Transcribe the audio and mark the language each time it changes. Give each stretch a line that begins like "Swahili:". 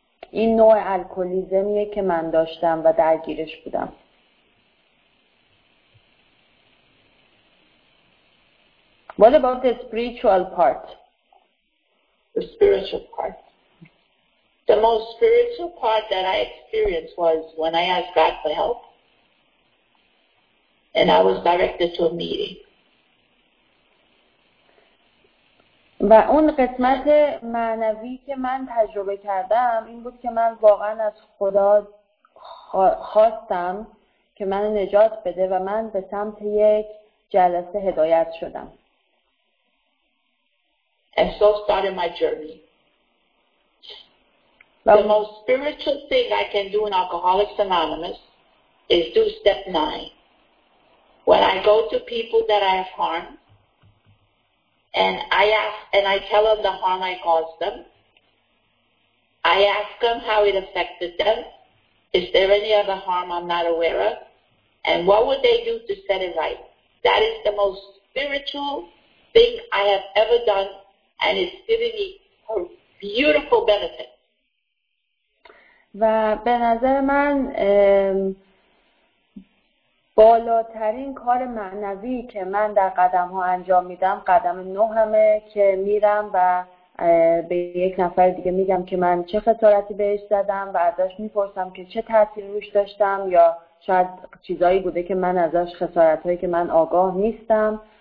Persian: این نوع الکلیزمیه که من داشتم و درگیرش بودم.
English: What about the spiritual part? The spiritual part. The most spiritual part that I experienced was when I asked God for help and I was directed to a meeting.
Persian: و اون قسمت معنوی که من تجربه کردم این بود که من واقعا از خدا خواستم که من نجات بده و من به سمت یک جلسه هدایت شدم.
English: And so started my journey. The most spiritual thing I can do in Alcoholics Anonymous is do step 9. When I go to people that I have harmed, And I tell them the harm I caused them. I ask them how it affected them. Is there any other harm I'm not aware of? And what would they do to set it right? That is the most spiritual thing I have ever done, and it's giving me a beautiful benefit.
Persian: و به نظر من بالاترین کار معنوی که من در قدم ها انجام میدم قدم نهمه که میرم و به یک نفر دیگه میگم که من چه خسارتی بهش زدم و ازش میپرسم که چه تاثیر روش داشتم یا شاید چیزایی بوده که من ازش خسارتهایی که من آگاه نیستم